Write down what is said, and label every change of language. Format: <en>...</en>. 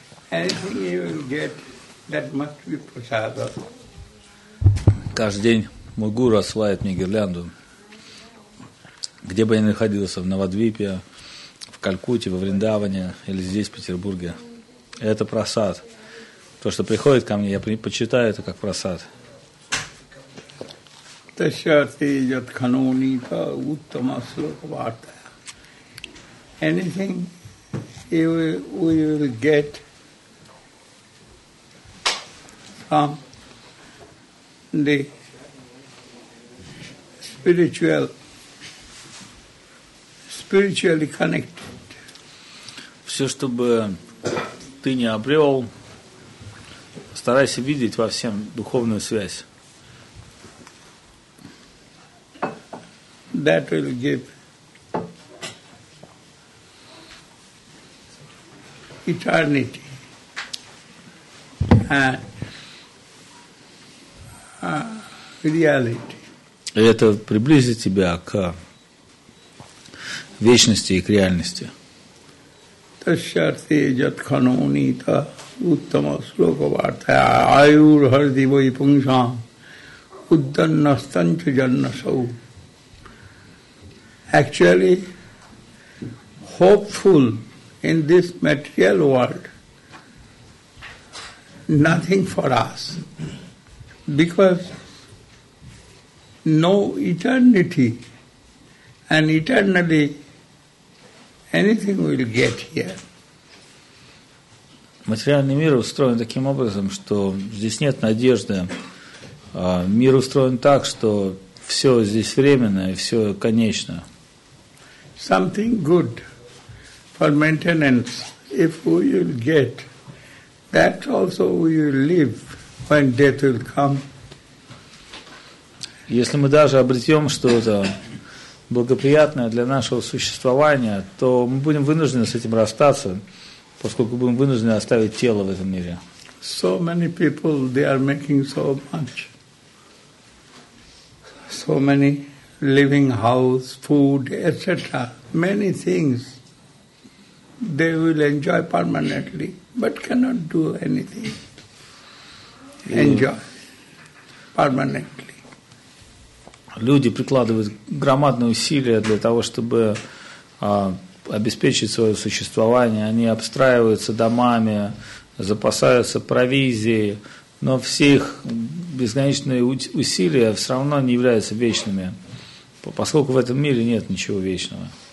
<en>Anything you will get, that must be прасадам.</en> <ru>Каждый день мой гуру осваивает мне гирлянду. Где бы я ни находился, в Навадвипе, в Калькутте, во Вриндаване или здесь, в Петербурге. Это прасад. То, что приходит ко мне, я почитаю это как прасад.</ru> <sa>Тащати яд канунита уттама слоквата.</sa> <en>Anything we will get from the spiritually connected.</en> <ru>Все, чтобы ты не обрел, старайся видеть во всем духовную связь.</ru> <en>That will give eternity and reality.</en> <ru>Это приблизит тебя к вечности и к реальности.</ru> <sa>Тащарти яд канунита уттама слоквата аюр харди вай пуншам удданна станч жанна сау.</sa> <en>Actually, hopeful in this material world, nothing for us, because no eternity and eternally anything we'll get here.</en> <ru>Материальный мир устроен таким образом, что здесь нет надежды. Мир устроен так, что все здесь временно и все конечно.</ru> <en>Something good for maintenance, if we will get, that also we will live when death will come.</en> <ru>Если мы даже обретем что-то благоприятное для нашего существования, то мы будем вынуждены с этим расстаться, поскольку будем вынуждены оставить тело в этом мире.</ru> <en>So many people, they are making so much. So many living house, food, etc. Many things. They will enjoy permanently, but cannot do anything. Enjoy permanently.</en> <ru>Люди прикладывают громадные усилия для того, чтобы обеспечить свое существование. Они обстраиваются домами, запасаются провизией, но все их бесконечные усилия все равно не являются вечными, поскольку в этом мире нет ничего вечного.</ru>